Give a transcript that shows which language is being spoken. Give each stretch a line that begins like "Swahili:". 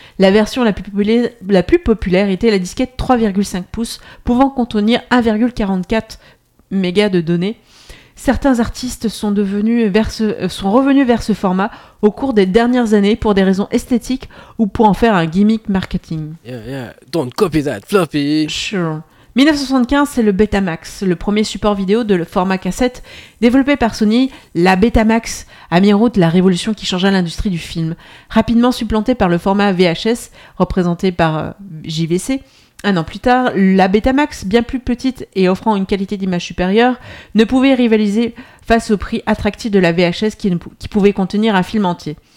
French: La version la plus populaire était la disquette 3,5 pouces, pouvant contenir 1,44 mégas de données. Certains artistes sont revenus vers ce format au cours des dernières années pour des raisons esthétiques ou pour en faire un gimmick marketing.
English: Yeah, don't copy that, floppy. Sure.
French: 1975, c'est le Betamax, le premier support vidéo de format cassette développé par Sony. La Betamax a mis en route la révolution qui changea l'industrie du film, rapidement supplantée par le format VHS, représenté par JVC. Un an plus tard, la Betamax, bien plus petite et offrant une qualité d'image supérieure, ne pouvait rivaliser face au prix attractif de la VHS qui pouvait contenir un film entier.